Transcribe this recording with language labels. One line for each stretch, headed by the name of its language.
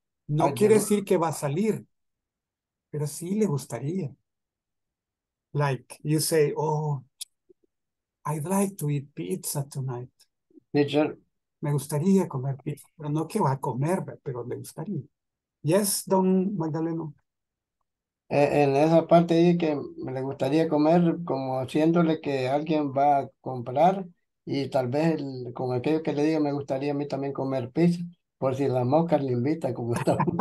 Spanish: No quiere decir que va a salir, pero sí le gustaría.
English: Like, you say, oh, I'd like to eat pizza tonight. Teacher.
Spanish: Me gustaría comer pizza. Pero no que va a comer, pero le gustaría. Yes, don Magdaleno. En esa parte ahí que me le gustaría comer, como haciéndole que alguien va a comprar, y tal vez con aquello que le diga, me gustaría a mí también comer pizza, por si la mosca le invita, como está.